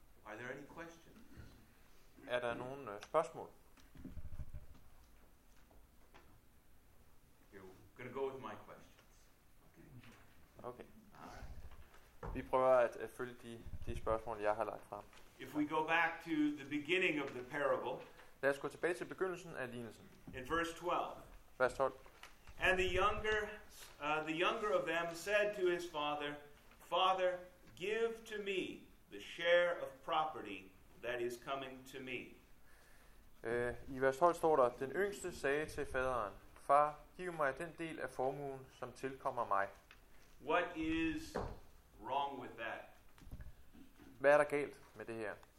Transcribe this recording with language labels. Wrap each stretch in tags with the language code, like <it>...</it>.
<en>Are there any questions?</en> <da>Er der nogen spørgsmål?</da> <en>You're gonna go with my questions. Okay. Right.</en> <da>Vi prøver at følge de spørgsmål, jeg har lagt frem.</da> <en>If we go back to the beginning of the parable.</en> <da>Lad os gå tilbage til begyndelsen af lignelsen.</da> <en>In verse 12.</en> <da>Vers 12.</da> <en>And the younger of them said to his father, Father, give to me the share of property that is coming to me.</en> <da>I vers 12 står der, den yngste sagde til faderen, Far, giv mig den del af formuen, som tilkommer mig.</da> <en>What is wrong with that?</en> <da>Hvad er der galt med det her?</da>